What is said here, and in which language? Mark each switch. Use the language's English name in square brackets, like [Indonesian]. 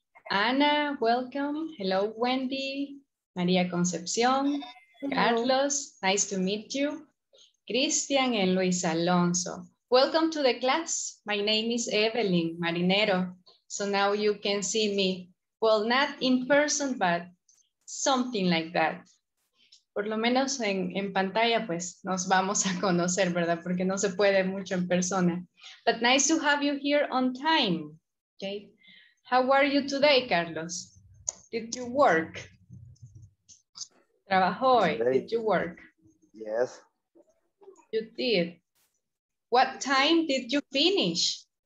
[English] Ana, welcome. Hello Wendy, Maria Concepcion, Carlos, nice to meet you. Cristian and Luis Alonso. Welcome to the class. My name is Evelyn Marinero. So now you can see me. Well, not in person, but something like that. [Spanish] Por lo menos en pantalla, pues, nos vamos a conocer, ¿verdad? Porque no se puede mucho en persona. [English] But nice to have you here on time, okay? How are you today, Carlos? Did you work? [Spanish] ¿Trabajó hoy? [English] Did you work? Yes. You did. What time did you finish?